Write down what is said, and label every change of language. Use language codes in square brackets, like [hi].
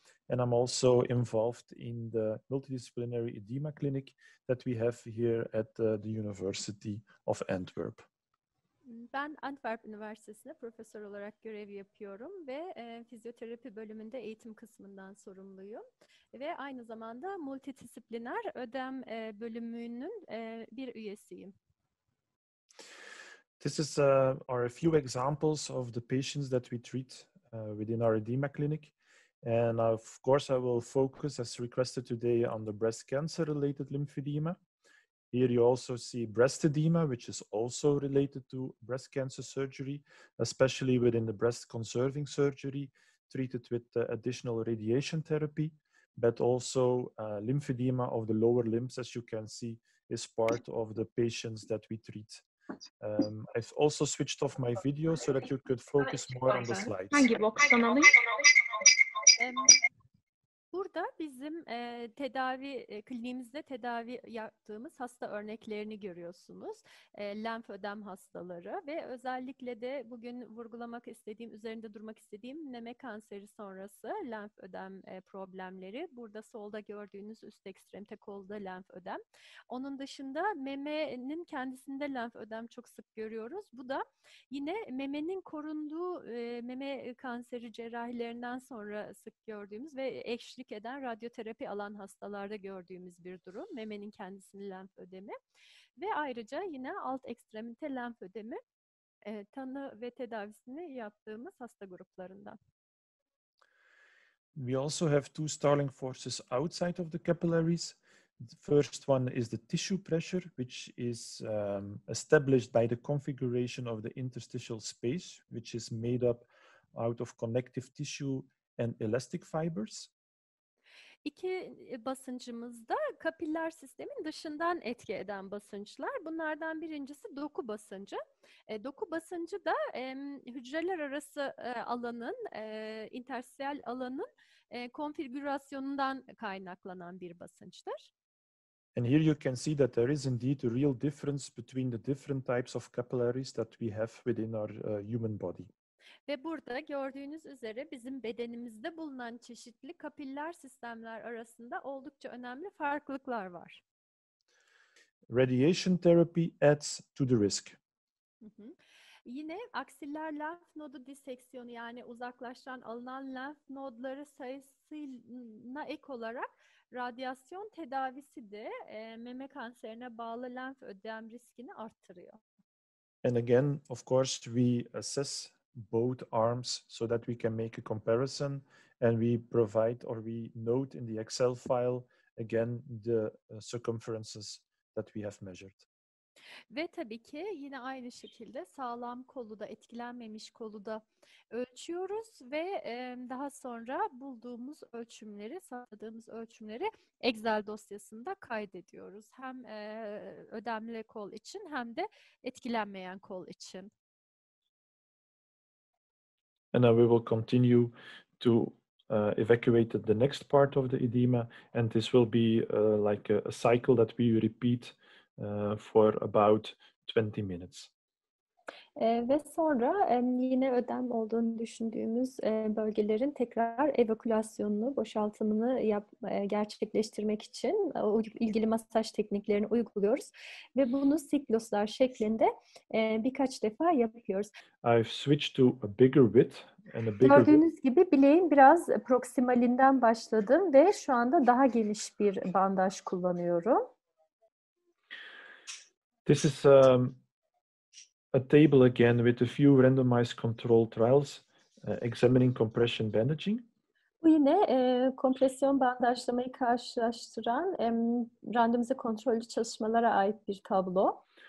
[en] And I'm also involved in the multidisciplinary edema clinic that we have here at the University of Antwerp. [tr] Ben Antwerp Üniversitesi'nde profesör olarak görev yapıyorum ve fizyoterapi bölümünde eğitim kısmından sorumluyum. Ve aynı zamanda multidisipliner ödem bölümünün bir üyesiyim. [en] This is are a few examples of the patients that we treat within our edema clinic. And of course, I will focus as requested today on the breast cancer related lymphedema. Here you also see breast edema, which is also related to breast cancer surgery, especially within the breast conserving surgery treated with additional radiation therapy, but also lymphedema of the lower limbs, as you can see, is part of the patients that we treat. I've also switched off my video so that you could focus more on the slides. [tr] Hangi boksdan alayım? Burada bizim tedavi kliniğimizde tedavi yaptığımız hasta örneklerini görüyorsunuz. Lenf ödem hastaları ve özellikle de bugün vurgulamak istediğim, üzerinde durmak istediğim meme kanseri sonrası lenf ödem problemleri. Burada solda gördüğünüz üst ekstremite kolda lenf ödem. Onun dışında memenin kendisinde lenf ödem çok sık görüyoruz. Bu da yine memenin korunduğu meme kanseri cerrahilerinden sonra sık gördüğümüz ve eşlik eden radyoterapi alan hastalarda gördüğümüz bir durum. Memenin kendisini lenf ödemi ve ayrıca yine alt ekstremite lenf ödemi tanı ve tedavisini yaptığımız hasta gruplarından. [en] We also have two Starling forces outside of the capillaries. The first one is the tissue pressure, which is established by the configuration of the interstitial space, which is made up out of connective tissue and elastic fibers. [tr] İki basıncımız da kapiller sistemin dışından etki eden basınçlar. Bunlardan birincisi doku basıncı. Doku basıncı da hücreler arası alanın, interstisyal alanın konfigürasyonundan kaynaklanan bir basınçtır. [en] And here you can see that there is indeed a real difference between the different types of capillaries that we have within our human body. [tr] Ve burada gördüğünüz üzere bizim bedenimizde bulunan çeşitli kapiller sistemler arasında oldukça önemli farklılıklar var. [en] Radiation therapy adds to the risk. [tr] Yine aksiller lenf nodu diseksiyonu yani uzaklaştıran alınan lenf nodları sayısına ek olarak radyasyon tedavisi de meme kanserine bağlı lenf ödem riskini arttırıyor. [en] And again, of course, we assess both arms so that we can make a comparison and we provide or we note in the Excel file again the circumferences that we have measured. [tr] Ve tabii ki yine aynı şekilde sağlam kolu da etkilenmemiş kolu da ölçüyoruz ve daha sonra bulduğumuz ölçümleri, sağladığımız ölçümleri Excel dosyasında kaydediyoruz. Hem ödemli kol için hem de etkilenmeyen kol için. [en] And now we will continue to evacuate the next part of the edema. And this will be like a cycle that we repeat for about 20 minutes. [tr] Ve sonra yine ödem olduğunu düşündüğümüz bölgelerin tekrar evakülasyonunu, boşaltımını gerçekleştirmek için ilgili masaj tekniklerini uyguluyoruz. Ve bunu sikloslar şeklinde birkaç defa yapıyoruz. [en] I've switched to a bigger width. [tr] Gördüğünüz gibi bileğin biraz proksimalinden başladım ve şu anda daha geniş bir bandaj kullanıyorum. [en] This is a table again with a few randomized control trials examining compression bandaging. [tr] Bu yine kompresyon bandajlamayı karşılaştıran randomize kontrollü çalışmalara ait bir tablo.